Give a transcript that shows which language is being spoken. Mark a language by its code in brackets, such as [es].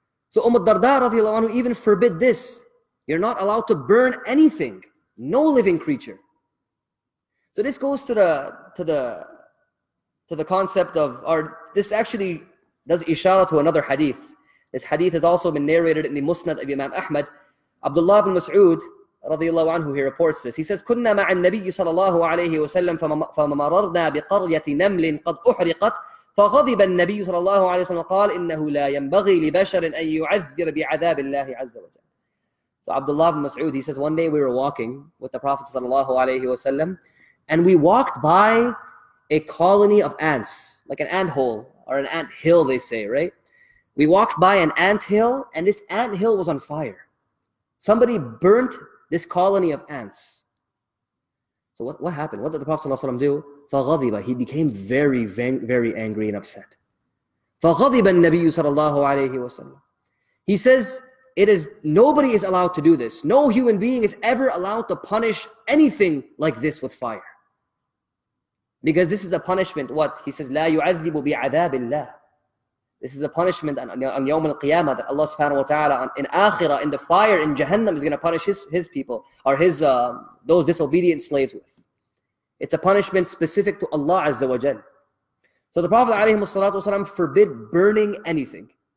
[en] So Umm al-Darda radiallahu anhu even forbid this. You're not allowed to burn anything, no living creature. So this goes to the concept of, or this actually does ishara to another hadith. This hadith has also been narrated in the Musnad of Imam Ahmad. Abdullah ibn Mas'ud radiallahu anhu, he reports this. He says, [ar] كُنَّا مَعَ النَّبِيِّ صَلَى اللَّهُ عَلَيْهِ وَسَلَّمْ فَمَرَرْنَا بِقَرْيَةِ نَمْلٍ قَدْ أُحْرِقَتْ فغضب النبي صلى الله عليه وسلم قال إنه لا ينبغي لبشر أن يعذر بعذاب الله عز وجل. [en] So Abdullah ibn Mas'ud, he says, one day we were walking with the Prophet sallallahu alayhi wa sallam, and we walked by a colony of ants, like an ant hole or an ant hill, they say, right? We walked by an ant hill, and this ant hill was on fire. Somebody burnt this colony of ants. So what happened? What did the Prophet sallallahu alayhi wa sallam do? [ar] فَغَضِبَ. [en] He became very, very angry and upset. [ar] فَغَضِبَ النَّبِيُّ [en] sallallahu alayhi wa sallam. He says, it is, nobody is allowed to do this. No human being is ever allowed to punish anything like this with fire. Because this is a punishment, what? He says, [ar] لَا يُعَذِّبُ بِعَذَابِ اللَّهِ. [en] This is a punishment on Yawm al-Qiyamah that Allah subhanahu wa ta'ala in Akhirah, in the fire, in Jahannam, is going to punish his people, or his those disobedient slaves with. It's a punishment specific to Allah Azza wa Jal. So the Prophet alayhi salatu wasalam forbid burning anything.